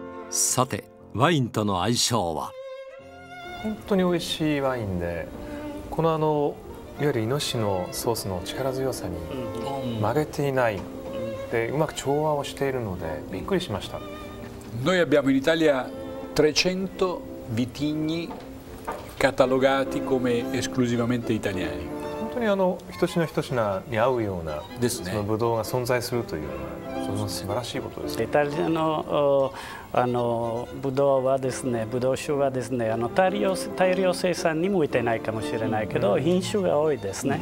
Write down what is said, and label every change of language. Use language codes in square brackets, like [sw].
[ja] さて、ワインとの相性は本当に美味しいワインで、このいわゆるイノシシのソースの力強さに曲げていない、でうまく調和をしているのでびっくりしました。 [it] Noi abbiamo in Italia 300 vitigni catalogati come esclusivamente italiani。 [ja] 本当に一品一品に合うようなですね、そのブドウが存在するというのは、その素晴らしいことですね。イタリアのブドウはですね、ブドウ酒はですね、大量生産に向いてないかもしれないけど、品種が多いですね。